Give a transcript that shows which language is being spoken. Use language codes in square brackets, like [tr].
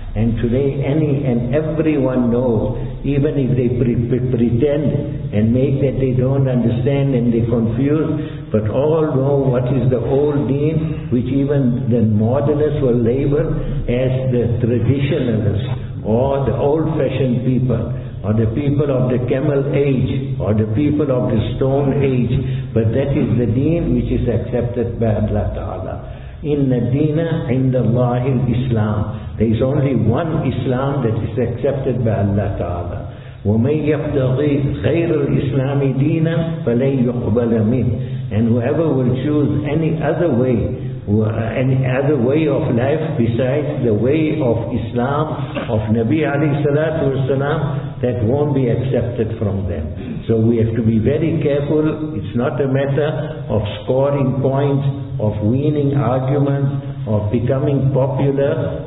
[en] And today any and everyone knows, even if they pretend and make that they don't understand and they confuse, but all know what is the old deen, which even the modernists will label as the traditionalists or the old-fashioned people, or the people of the camel age, or the people of the stone age. But that is the deen which is accepted by Allah Ta'ala. [ar] Inna deena inda Allah al-Islam. [en] There is only one Islam that is accepted by Allah Ta'ala. [ar] وَمَنْ يَبْتَغِي غَيْرُ الْإِسْلَامِ دِينًا فَلَنْ يُقْبَلَ مِنْ. [en] And whoever will choose any other way any other way of life besides the way of Islam, of Nabi alayhi salatu wasalam, that won't be accepted from them. So we have to be very careful. It's not a matter of scoring points, of winning arguments, of becoming popular.